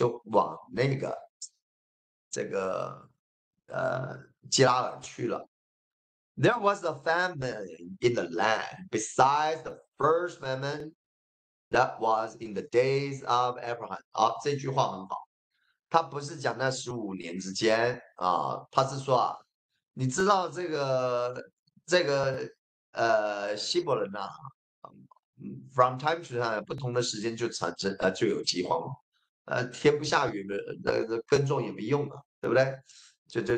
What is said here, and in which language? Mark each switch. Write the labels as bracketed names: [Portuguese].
[Chinese] 就往那个这个基拉尔去了。 [English] There was a famine in the land besides the first famine that was in the days of Abraham。 [Chinese] 好，这句话很好，他不是讲那15年之间啊，他是说啊，你知道这个希伯伦呐。 [English] From time to time， [Chinese] 不同的时间就产生就有饥荒，天不下雨的，耕种也没用了，对不对？